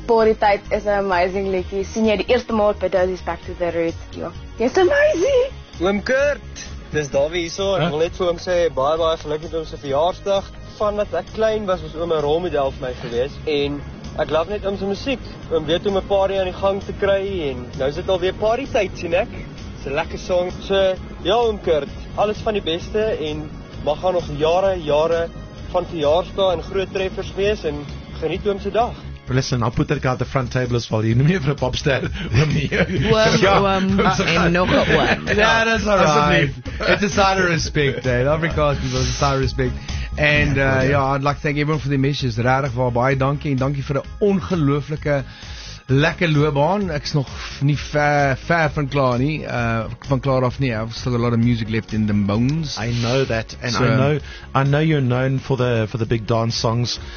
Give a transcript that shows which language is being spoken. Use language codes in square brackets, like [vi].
[af] Party Tijd [en] is an amazing [af] liedjie. Sien jy die eerste maal by Dozies Back to the Roots. [en] Yes, amazing! [af] Oom Kurt, dis Davie hierso. Ek wil net vir oom sê, baie geluk met oom se verjaarsdag. Vandat ek klein was oom 'n rolmodel vir my gewees en ek love net oom se muziek. Oom weet om 'n party aan die gang te kry en nou is dit alweer Party Tijd, sien ek. Dis 'n lekker song. So, ja oom Kurt, alles van die beste en mag gaan nog jare van verjaarsdag en groot treffers wees en geniet oomse dag. [en] Listen, I'll put that guy at the front table as well. You know me for a pop star. That is all right. It's a sign of respect, Dave. Every call is a sign of respect. And I'd like to thank everyone for the messages. [af] Radig waar, baie dankie. En dankie vir 'n ongelooflike lekker loopbaan. Ek is nog nie ver van klaar nie. Van klaar af nie. [en] I've still got a lot of music left in the bones. I know that. And so, I know you're known for the big dance songs.